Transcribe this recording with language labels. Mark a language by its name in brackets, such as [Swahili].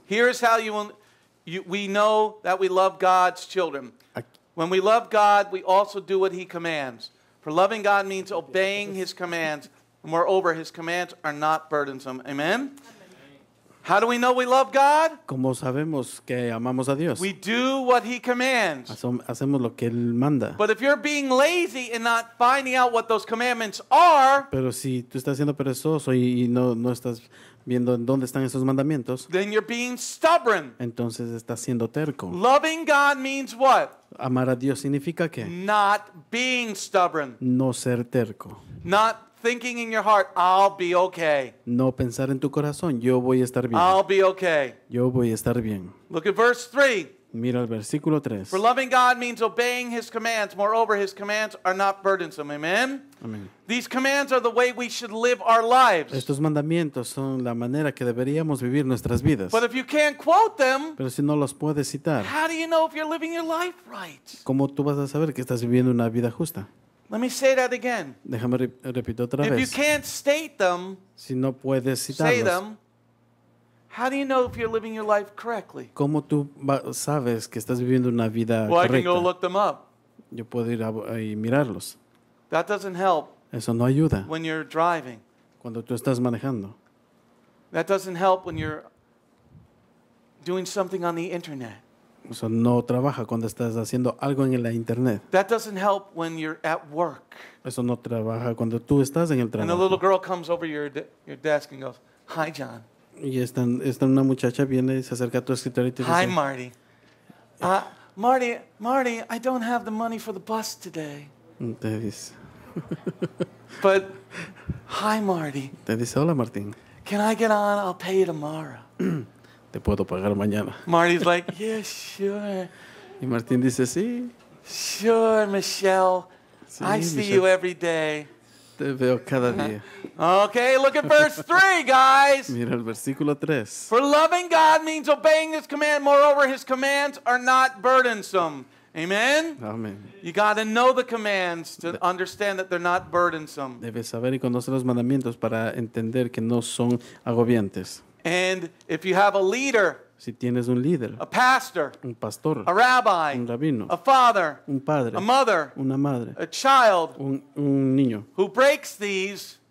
[English] Here is how we know that we love God's children. When we love God, we also do what He commands. For loving God means obeying His commands. And moreover, His commands are not burdensome. Amen? How do we know we love God? [Spanish] ¿Cómo sabemos que amamos a Dios? [English] We do what He commands. [Spanish] Hacemos lo que Él manda. [English] But if you're being lazy and not finding out what those commandments are, [Spanish] pero si tú estás siendo perezoso y no estás viendo en dónde están esos mandamientos, [English] then you're being stubborn. [Spanish] Entonces estás siendo terco. [English] Loving God means what? [Spanish] Amar a Dios significa qué? [English] Not being stubborn. [Spanish] No ser terco. [English] Not thinking in your heart, I'll be okay. [Spanish] No pensar en tu corazón, yo voy a estar bien. [English] I'll be okay. [Spanish] Yo voy a estar bien. [English] Look at verse 3. [Spanish] Mira el versículo 3. [English] For loving God means obeying His commands. Moreover, His commands are not burdensome. Amen? Amen. These commands are the way we should live our lives. [Spanish] Estos mandamientos son la manera que deberíamos vivir nuestras vidas. [English] But if you can't quote them, [Spanish] pero si no los puedes citar, [English] how do you know if you're living your life right? [Spanish] ¿Cómo tú vas a saber que estás viviendo una vida justa? [English] Let me say that again. [Spanish] Déjame repito otra vez. [English] If you can't state them, [Spanish] si no puedes citarlos, [English] say them, how do you know if you're living your life correctly? [Spanish] ¿Cómo tú sabes que estás viviendo una vida [English] well, [Spanish] correcta? [English] Well, I can go look them up. [Spanish] Yo puedo ir a mirarlos. [English] That doesn't help. [Spanish] Eso no ayuda. [English] When you're driving. [Spanish] Cuando tú estás manejando. [English] That doesn't help when you're doing something on the internet. [Spanish] Eso no trabaja cuando estás haciendo algo en la internet. [English] That doesn't help when you're at work. [Spanish] Eso no trabaja cuando tú estás en el trabajo. [English] And a little girl comes over your desk and goes, "Hi, John." [Spanish] Y esta una muchacha viene y se acerca a tu escritorio y te dice, [English] "Hi, Marty. Marty, I don't have the money for the bus today." [Spanish] Te dice. [English] But, "Hi, Marty." [Spanish] Te dice, "Hola, Martín." [English] "Can I get on? I'll pay you tomorrow." [Spanish] Te puedo pagar mañana. [English] Marty's like, "Yeah, sure." [Spanish] Y Martín dice, "Sí." [English] "Sure, Michelle. Sí, I see Michelle. You every day." [Spanish] Te veo cada día. [English] Okay, look at verse 3, guys. [Spanish] Mira el versículo 3. [English] For loving God means obeying His command. Moreover, His commands are not burdensome. Amen? Amen. You got to know the commands to understand that they're not burdensome. [Spanish] Debes saber y conocer los mandamientos para entender que no son agobiantes. [English] And if you have a leader, [Spanish] si tienes un líder, [English] a pastor, [Spanish] un pastor, [English] a rabbi, [Spanish] un rabino, [English] a father, [Spanish] un padre, [English] a mother, [Spanish] una madre, [English] a child, [Spanish] un niño, [English] who breaks these,